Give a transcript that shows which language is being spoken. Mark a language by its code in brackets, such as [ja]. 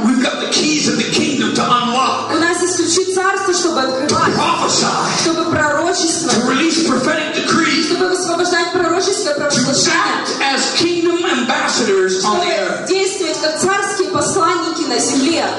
[en] We've got the keys of the kingdom to unlock. [ru] У нас есть ключи царства, чтобы открывать. [en] To prophesy. [ru] Чтобы пророчествовать. [en] To release prophetic decrees. [ru] Чтобы высвобождать пророчество и провозглашение. [en] To act as kingdom ambassadors on the earth. [ru] Чтобы действовать как царские посланники на земле.